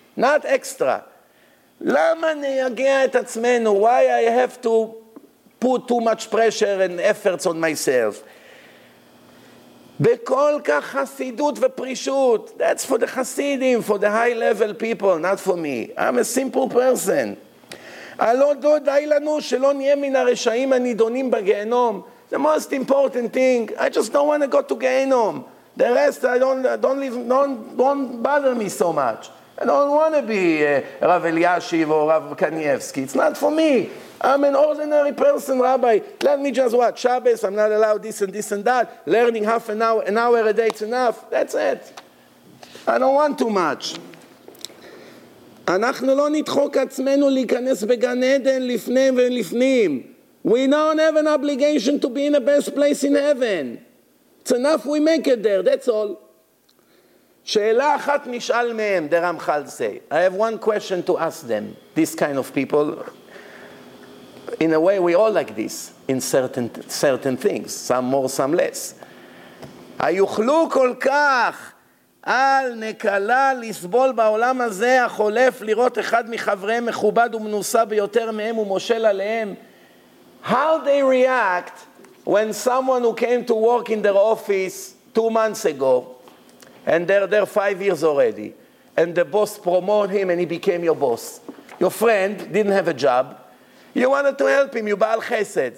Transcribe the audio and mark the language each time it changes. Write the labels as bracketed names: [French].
[English] Not extra. [Hebrew] למה נהגה את עצמנו? [English] Why I have to put too much pressure and efforts on myself? [Hebrew] בכל כך חסידות ופרישות. [English] That's for the Hasidim, for the high level people, not for me. I'm a simple person. [Hebrew] הלא די לנו שלא נהיה מן הרשעים הנידונים בגיהנום. [English] The most important thing, I just don't want to go to Gehenom. The rest, I don't bother me so much. I don't want to be Rav Eliashiv or Rav Kanievsky. It's not for me. I'm an ordinary person, Rabbi. Let me just watch Shabbos. I'm not allowed this and that. Learning half an hour a day is enough. That's it. I don't want too much. [Hebrew] אנחנו לא נדחוק עצמנו להיכנס בגן עדן לפניהם ולפנים. [English] We don't have an obligation to be in the best place in heaven. It's enough we make it there, that's all. [Hebrew] שאלה אחת נשאל מהם, [English] the Ramchal say. I have one question to ask them, this kind of people. In a way, we all like this, in certain things, some more, some less. [Hebrew] היוכלו כל כך על נקלה לסבול בעולם הזה החולף לראות אחד מחבריהם מכובד ומנוסה ביותר מהם ומושל עליהם. [English] How they react when someone who came to work in their office 2 months ago and they're there 5 years already and the boss promoted him and he became your boss. Your friend didn't have a job. You wanted to help him. You Baal Chesed.